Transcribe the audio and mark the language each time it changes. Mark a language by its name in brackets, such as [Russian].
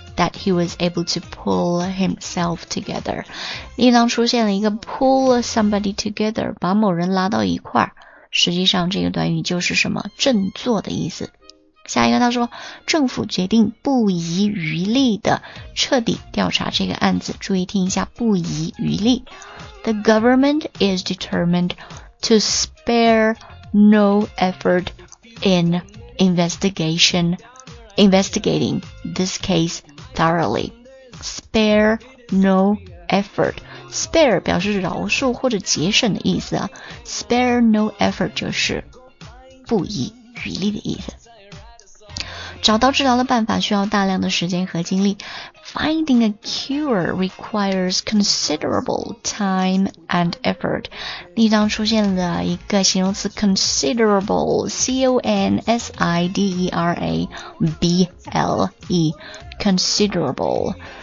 [English] That he was able to pull himself together. [Chinese] 里当出现了一个 [English] pull somebody together, [Chinese] 把某人拉到一块儿。实际上这个短语就是什么振作的意思。下一个他说，政府决定不遗余力地彻底调查这个案子。注意听一下不遗余力。 [English] The government is determined to spare no effort in investigating this case. Thoroughly, spare no effort. [Chinese] Spare 表示饶恕或者节省的意思啊。 [English] Spare no effort [Chinese] 就是不遗余力的意思。找到治疗的办法需要大量的时间和精力。 [English] Finding a cure requires considerable time and effort. [Chinese] 例章出现了一个形容词 considerable, C-O-N-S-I-D-E-R-A-B-L-E, considerable.